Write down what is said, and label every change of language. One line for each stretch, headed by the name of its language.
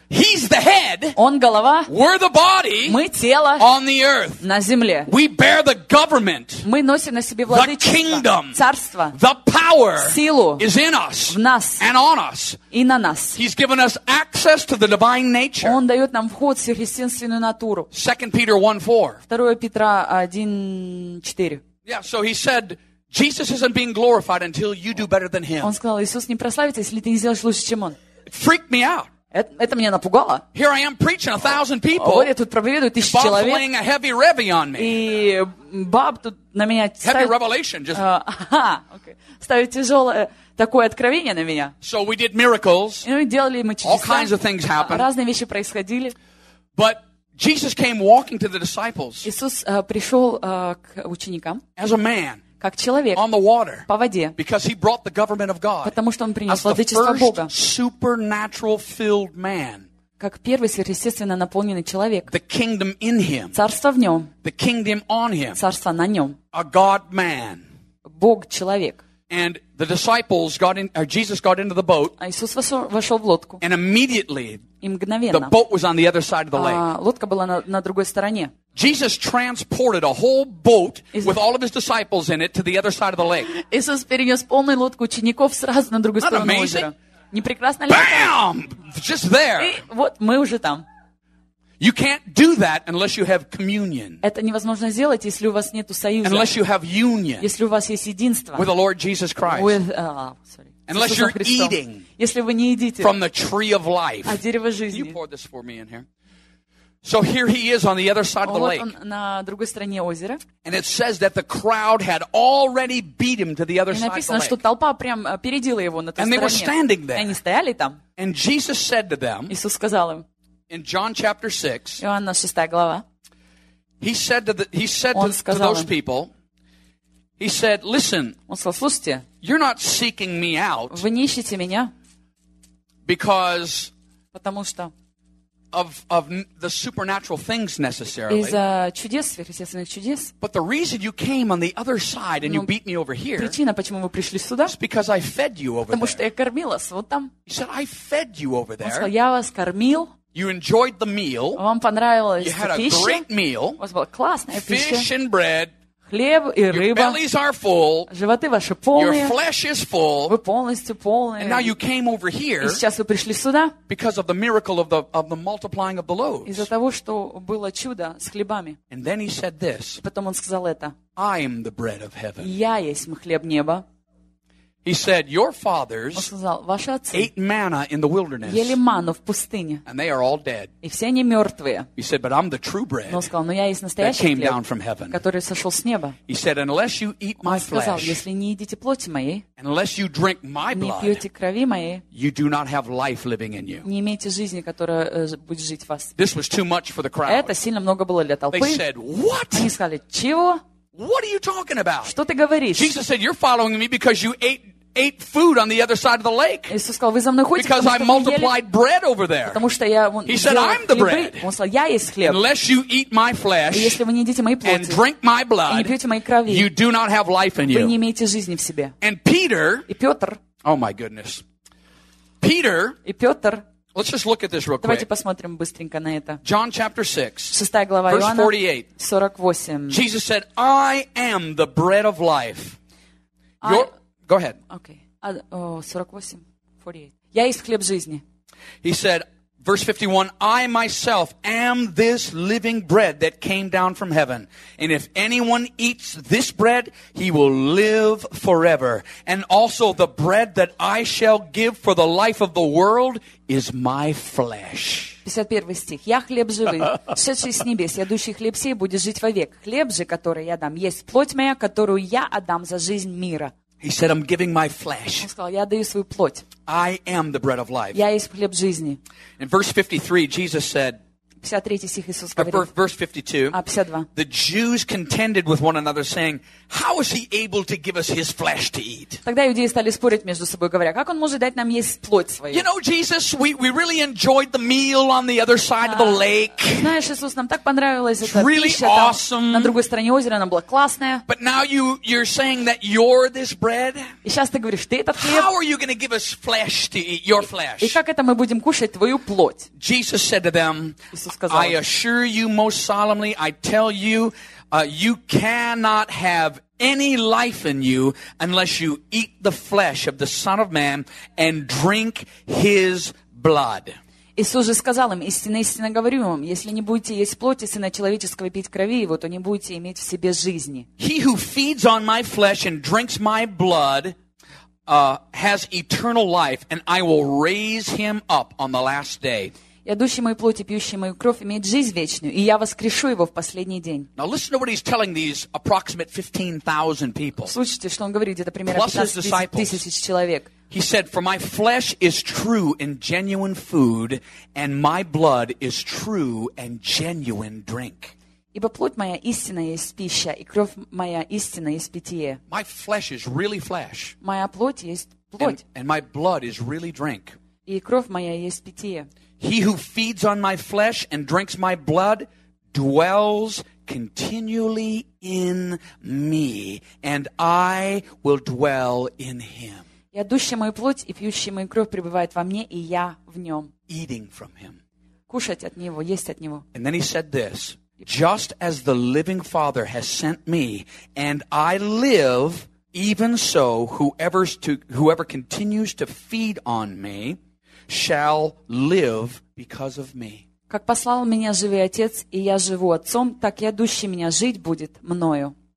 English: He's the head.
Russian: Он голова.
English: We're the body.
Russian: Мы тело.
English: On the earth.
Russian: На земле.
English: We bear the government.
Russian: Мы носим на себе владычество.
English: The kingdom.
Russian: Царство.
English: The power.
Russian: Силу.
English: Is in us.
Russian: В нас.
English: And on us.
Russian: И на нас.
English: He's given us access to the divine nature.
Russian: Он дает нам вход в сверхъестественную натуру.
English: 2 Peter 1:4.
Russian: 2 Петра 1:4.
English: Yeah, so he said, Jesus isn't being glorified until you do better than him.
Russian: Он сказал: Иисус не прославится, если ты не сделаешь лучше, чем он.
English: It freaked me out.
Russian: Это меня напугало.
English: Here I am preaching 1,000 people.
Russian: Вот я тут проповедую 1,000 человек.
English: Bob's laying a heavy revy on me.
Russian: И Боб тут на меня ставит.
English: Heavy revelation, just.
Russian: Ставит тяжелое такое откровение на меня.
English: So we did miracles.
Russian: И мы делали мы чудеса. All kinds of things happened. Разные вещи происходили.
English: But Jesus came walking to the disciples.
Russian: Иисус пришел к ученикам.
English: As a man.
Russian: Как человек,
English: on the water,
Russian: по воде,
English: because he brought the government of God,
Russian: потому что он принес владычество Бога,
English: supernatural filled man,
Russian: как первый сверхъестественно наполненный человек,
English: the kingdom in him,
Russian: царство в нем,
English: the kingdom on him,
Russian: царство на нем,
English: a God man,
Russian: Бог человек,
English: and the disciples got in, or Jesus got into the boat,
Russian: а Иисус вошел в лодку,
English: and immediately,
Russian: и мгновенно,
English: the boat was on the other side of the lake,
Russian: лодка была на другой стороне.
English: Jesus transported a whole boat with all of his disciples in it to the other side of the lake.
Russian: Иисус перенес полную лодку учеников сразу на другую сторону озера. Не прекрасно ли?
English: Bam! Just there.
Russian: Вот мы уже там.
English: You can't do that unless you have communion.
Russian: Это невозможно сделать, если у вас нету союза.
English: Unless you have union.
Russian: Если у вас есть единство.
English: With the Lord Jesus Christ. Unless you're eating.
Russian: Если вы не едите.
English: From the tree of life.
Russian: От дерева жизни.
English: You pour this for me in here. So here he is on the other side of the lake.
Russian: Вот он на другой стороне озера.
English: And it says that the crowd had already beat him to the other side of the lake.
Russian: И написано, что толпа прям опередила его на той стороне.
English: And they were standing there.
Russian: И они стояли там.
English: And Jesus said to them.
Russian: Иисус сказал им.
English: In John chapter 6.
Russian: Иоанна 6 глава.
English: He said to those people. He said, "Listen."
Russian: Он сказал: "Слушайте.
English: You're not seeking me out."
Russian: Вы не ищете меня.
English: Because.
Russian: Потому что.
English: Of the supernatural things necessarily.
Russian: Из-за чудес, сверхъестественных чудес.
English: But the reason you came on the other side and you beat me over here.
Russian: Причина, почему вы пришли сюда?
English: Is because I fed you over
Russian: потому
English: there.
Russian: Потому что я кормилась вот там.
English: He said, "I fed you over there."
Russian: Он сказал: "Я вас кормил."
English: You enjoyed the meal.
Russian: Вам понравилась пища.
English: You had a great meal.
Russian: У вас была классная
English: fish
Russian: пища.
English: Fish and bread.
Russian: Хлеб и
English: Your
Russian: рыба.
English: Your bellies are full.
Russian: Животы ваши полные.
English: Your flesh is full.
Russian: Вы полностью полные.
English: And now you came over here.
Russian: И сейчас вы пришли сюда.
English: Because of the miracle of the multiplying of the loaves.
Russian: Из-за того, что было чудо с хлебами.
English: And then he said this.
Russian: Потом он сказал это.
English: I am the bread of heaven.
Russian: Я есть хлеб неба.
English: He said, "Your fathers
Russian: сказал, ваши отцы
English: ate manna in the wilderness,
Russian: ели ману в пустыне,
English: and they are all dead."
Russian: И все они мертвые.
English: He said, "But I'm the true bread."
Russian: Но сказал, но я есть настоящий
English: that came
Russian: хлеб,
English: down from heaven.
Russian: Который сошел с неба.
English: He said, "Unless you eat my flesh,
Russian: сказал, если не едите плоти моей,
English: unless you drink my blood,
Russian: не пьете крови моей,
English: you do not have life living in you."
Russian: Не имеете жизни, которая будет жить в вас.
English: This was too much for the crowd.
Russian: Это сильно много было для толпы.
English: They said, "What?"
Russian: Они сказали: "Чего?"
English: What are you talking about?
Russian: Что ты говоришь?
English: Jesus said, "You're following me because you ate food on the other side of the lake."
Russian: Иисус сказал: "Вы за мной ходите,
English: because I multiplied bread over there."
Russian: Потому что я вон.
English: He said, "I'm the bread."
Russian: Он сказал: "Я есть хлеб."
English: Unless you eat my flesh,
Russian: если вы не едите моей плоти,
English: and drink my blood,
Russian: и не пьете моей крови,
English: you do not have life in you.
Russian: Вы не имеете жизни в себе.
English: And Peter,
Russian: и Петр.
English: Oh my goodness, Peter,
Russian: и Петр.
English: Let's just look at this real quick.
Russian: Давайте посмотрим быстренько на это.
English: John chapter 6.
Russian: Шестая глава Иоанна.
English: Verse 48.
Russian: 48.
English: Jesus said, "I am the bread of life." Go ahead.
Russian: Okay. 48. Я есть хлеб жизни.
English: He said, Verse 51, I myself am this living bread that came down from heaven. And if anyone eats this bread, he will live forever. And also the bread that I shall give for the life of the world is my flesh.
Russian: 51 стих. Я хлеб живый, сшедший с небес. Ядущий хлеб сей будет жить вовек. Хлеб же, который я дам, есть плоть моя, которую я отдам за жизнь мира.
English: He said, I'm giving my flesh.
Russian: Он сказал, я даю свою плоть.
English: I am the bread of life.
Russian: Я есть хлеб жизни.
English: In verse 53, Jesus said,
Russian: 53 стих Иисус говорит,
English: verse 52,
Russian: 52,
English: the Jews contended with one another, saying, how is he able to give us his flesh to eat?
Russian: Тогда иудеи стали спорить между собой, говоря, как он может дать нам есть плоть свою?
English: You know, Jesus, we really enjoyed the meal on the other side of the lake.
Russian: Знаешь, Иисус, нам так понравилась эта
English: really
Russian: пища
English: awesome.
Russian: Там, на другой стороне озера, она была классная.
English: But now you're saying that you're this bread?
Russian: И сейчас ты говоришь, ты этот хлеб?
English: How are you going to give us flesh to eat, your flesh?
Russian: И как это мы будем кушать твою плоть?
English: Jesus said to them, I assure you most solemnly, I tell you, you cannot have any life in you unless you eat the flesh of the Son of Man and drink his blood.
Russian: Иисус же сказал им, истинно, истинно говорю вам, если не будете есть плоти Сына Человеческого и пить крови Его, то не будете иметь в себе жизни.
English: He who feeds on my flesh and drinks my blood has eternal life, and I will raise him up on the last day.
Russian: Ядущий мою плоть и пьющий мою кровь имеет жизнь вечную, и я воскрешу его в последний день.
English: Now listen to what he's telling these approximate 15,000 people.
Russian: Слушайте, что он говорит, это примерно 15 тысяч человек.
English: He said, for my flesh is true and genuine food, and my blood is true and genuine drink.
Russian: Ибо плоть моя истинная есть пища, и кровь моя истинная есть питье.
English: My flesh is really flesh.
Russian: Моя плоть есть плоть.
English: And my blood is really drink.
Russian: И кровь моя есть питье.
English: He who feeds on my flesh and drinks my blood dwells continually in me, and I will dwell in him.
Russian: Ядущий мою плоть и пьющий мою кровь пребывает во мне, и я в нем.
English: Eating from him.
Russian: Кушать от него, есть от него.
English: And then he said this, just as the living Father has sent me, and I live, even so whoever continues to feed on me shall live because of me.
Russian: Как послал меня живый Отец, и я живу Отцом, так и идущий меня жить будет мною.